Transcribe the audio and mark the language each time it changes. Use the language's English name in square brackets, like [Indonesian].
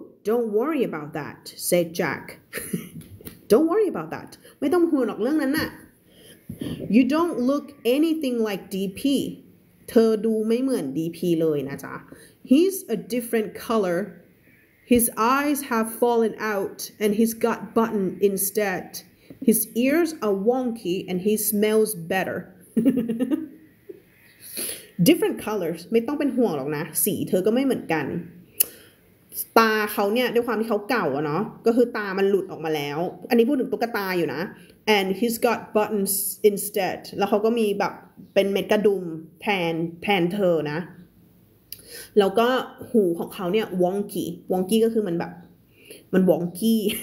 [English] don't worry about that said Jack don't worry about that [Thai] ไม่ต้องห่วงหรอกเรื่องนั้นน่ะ [English] you don't look anything like DP [Thai] เธอดูไม่เหมือน DP เลยนะจ๊ะ [English] he's a different colorHis eyes have fallen out, and he's got button instead. His ears are wonky, and he smells better. Different colors. [Thai] ไม่ต้องเป็นห่วงหรอกนะสีเธอก็ไม่เหมือนกันตาเขาเนี่ยด้วยความที่เขาเก่าอะเนาะก็คือตามันหลุดออกมาแล้วอันนี้พูดถึงตุ๊กตาอยู่นะ [English] And he's got buttons instead. [Thai] แล้วเขาก็มีแบบเป็นเม็ดกระดุมแทนเธอนะแล้วก็หูของเขาเนี่ยวองกี้วองกี้ก็คือมันแบบมันวองกี้